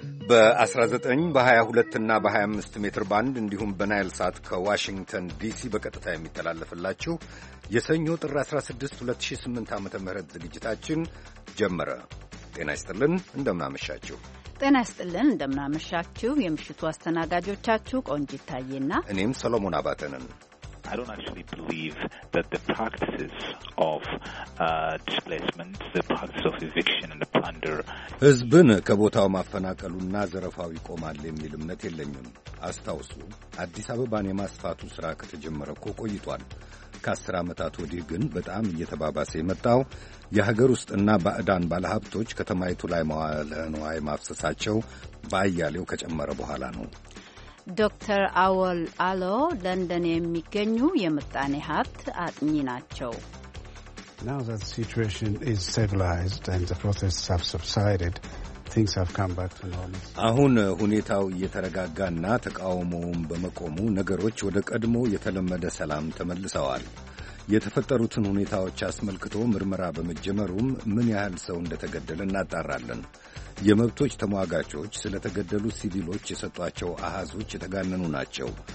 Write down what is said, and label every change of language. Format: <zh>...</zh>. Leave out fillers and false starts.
<am>በ19 በ22 እና በ25 ሜትር ባንድ እንዲሁም በናይል ሳት ከዋሽንግተን ዲሲ በቀጥታ የሚተላለፍላችሁ የሰኞ ጥር 16 2008 ዓ ም ዝግጅታችን ጀመረ። ጤና ይስጥልን፣ እንደምናመሻችሁ። ጤና ይስጥልን፣ እንደምናመሻችሁ። የምሽቱ አስተናጋጆቻችሁ ቆንጂት ታዬና እኔም ሰሎሞን አባተ ነን።</am> <en>I don't actually believe that the practices of displacement, the practices of eviction and the plunder.</en> <am>ህዝብን ከቦታው ማፈናቀሉና ዘረፋው ይቆማል የሚል እምነት የለኝም። አስታውሱ፣ አዲስ አበባን የማስፋቱ ሥራ ከተጀመረ እኮ ቆይቷል። ከአስር ዓመታት ወዲህ ግን በጣም እየተባባሰ የመጣው የሀገር ውስጥና ባዕዳን ባለሀብቶች ከተማይቱ ላይ መዋለ ንዋይ ማፍሰሳቸው በአያሌው ከጨመረ በኋላ ነው። ዶክተር አወል አሎ ለንደን የሚገኙ የምጣኔ ሀብት አጥኚ ናቸው።</am> <en>Now that the situation is stabilized and the protests have subsided, things have come back to normal.</en> <am>አሁን ሁኔታው እየተረጋጋና ተቃውሞውም በመቆሙ ነገሮች ወደ ቀድሞ የተለመደ ሰላም ተመልሰዋል። የተፈጠሩትን ሁኔታዎች አስመልክቶ ምርመራ በመጀመሩም ምን ያህል ሰው እንደተገደለ እናጣራለን። የመብቶች ተሟጋቾች ስለተገደሉ ሲቪሎች የሰጧቸው አሃዞች የተጋነኑ ናቸው።</am>